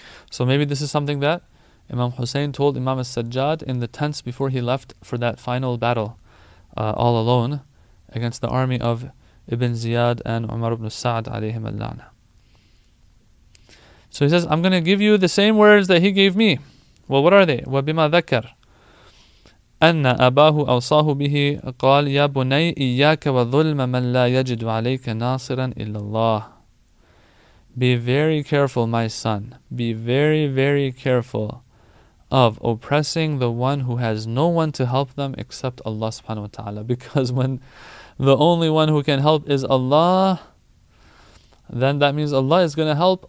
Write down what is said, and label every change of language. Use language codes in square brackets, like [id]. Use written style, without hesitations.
[en] So maybe this is something that Imam Husayn told Imam al-Sajjad in the tents before he left for that final battle, all alone against the army of Ibn Ziyad and Umar ibn Sa'd alayhim al-la'na. So he says, I'm going to give you the same words that he gave me. Well, what are they? [ar] وَبِمَا ذَكَّرْ, أن أباه أوصاه به قال يا بني إياك وظلم من لا يجد عليك ناصرا إلا الله. [en] Be very careful, my son. Be very, very careful of oppressing the one who has no one to help them except Allah subhanahu wa ta'ala. Because when the only one who can help is Allah, then that means Allah is going to help.